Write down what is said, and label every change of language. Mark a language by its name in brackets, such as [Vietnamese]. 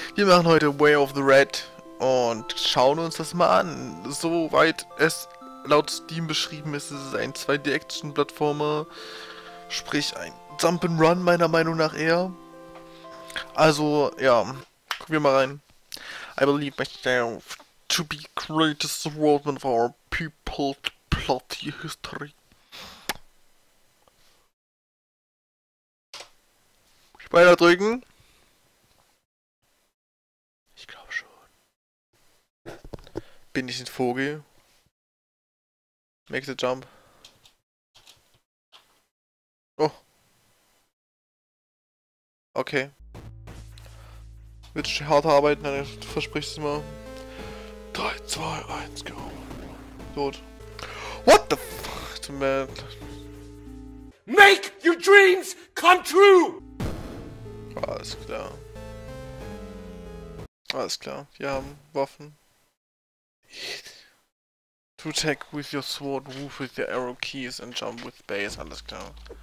[German] Wir machen heute Way of the Red und schauen uns das mal an. Soweit es laut Steam beschrieben ist, ist es ein 2D-Action-Plattformer, sprich ein Jump'n'Run meiner Meinung nach eher. Also, ja, gucken wir mal rein. [English] I believe myself to be greatest swordsman of our people's bloody history. [German] Weiter drücken. Ich glaube schon. Bin ich ein Vogel? [English] Make the jump. Oh. Okay. [German] Willst du hart arbeiten, dann versprichst du mal. [English] 3, 2, 1, go. Tot. What the fuck, man? Make your dreams come true! [German] Alles klar. Alles klar, wir haben Waffen. [English] To attack with your sword, move with your arrow keys and jump with base, [German] alles klar.